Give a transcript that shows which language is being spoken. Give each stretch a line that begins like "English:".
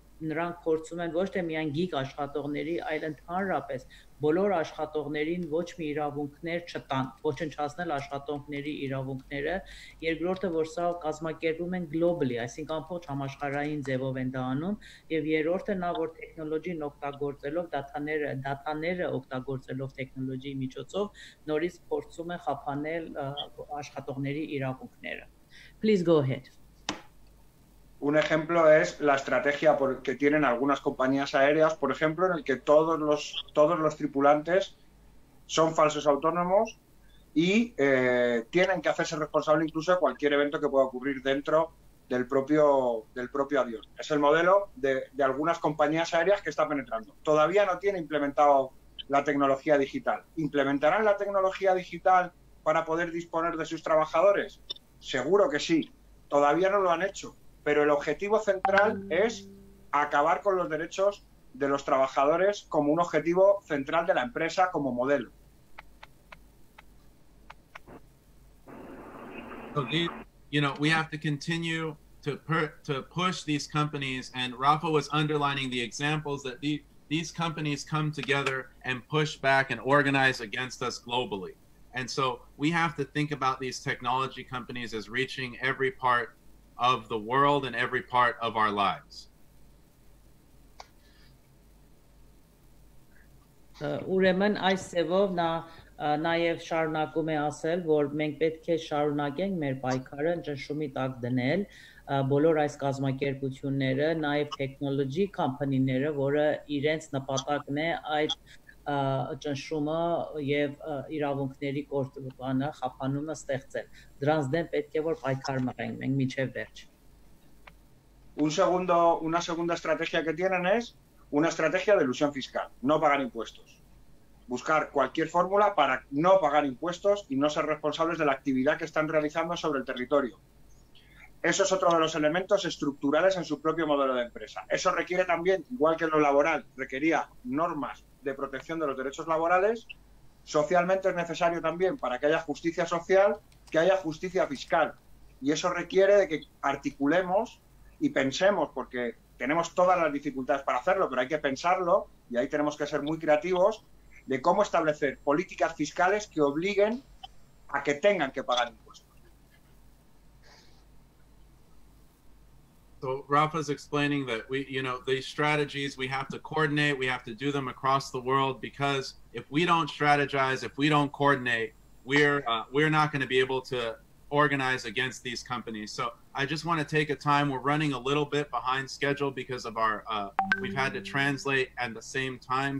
Armenian: նրանք փորձում են ոչ թե միայն գիգ աշխատողների այլ ընդհանրապես բոլոր աշխատողներին ոչ մի իրավունքներ չտան ոչնչացնել աշխատողների իրավունքները երկրորդը որ սա կազմակերպում են գլոբալի այսինքն ամբողջ համաշխարհային ձևով են դառնում եւ երրորդը նա որ տեխնոլոգիան օգտագործելով դատաները օգտագործելով տեխնոլոգիայի միջոցով նորից փորձում են խափանել աշխատողների իրավունքները
English: please go ahead.
Spanish: Un ejemplo es la estrategia que tienen algunas compañías aéreas, por ejemplo, en el que todos los tripulantes son falsos autónomos y tienen que hacerse responsable incluso de cualquier evento que pueda ocurrir dentro del propio avión. Es el modelo de algunas compañías aéreas que está penetrando. Todavía no tiene implementado la tecnología digital. ¿Implementarán la tecnología digital para poder disponer de sus trabajadores? Seguro que sí. Todavía no lo han hecho. Pero el objetivo central es acabar con los derechos de los trabajadores como un objetivo central de la empresa como modelo.
English: So we have to continue to push these companies, and Rafa was underlining the examples that these companies come together and push back and organize against us globally. And so we have to think about these technology companies as reaching every part of the world and every part of our lives.
Armenian: Ուրեմն այս ձևով նա նաև շարունակում է ասել, որ մենք պետք է շարունակենք մեր պայքարը ճնշումի տակ դնել բոլոր այս կազմակերպությունները, նաև տեխնոլոգի կոմպանիները, որը իրենց նպատակն է այդ ճնշումը եւ իրավունքների կորտանը խափանումը ստեղծել։ Դրանց դեմ պետք է որ պայքար մղենք մենք միջև վերջ։
Spanish: Una segunda estrategia que tienen es una estrategia de elusión fiscal, no pagar impuestos. Buscar cualquier fórmula para no pagar impuestos y no ser responsables de la actividad que están realizando sobre el territorio. Eso es otro de los elementos estructurales en su propio modelo de empresa. Eso requiere también, igual que en lo laboral, requería normas de protección de los derechos laborales. Socialmente es necesario también, para que haya justicia social, que haya justicia fiscal. Y eso requiere de que articulemos y pensemos, porque tenemos todas las dificultades para hacerlo, pero hay que pensarlo, y ahí tenemos que ser muy creativos, de cómo establecer políticas fiscales que obliguen a que tengan que pagar impuestos.
English: So Rafa's explaining that these strategies, we have to coordinate, we have to do them across the world, because if we don't strategize, if we don't coordinate, we're not going to be able to organize against these companies. So I just want to take a time. We're running a little bit behind schedule because of our, we've had to translate at the same time.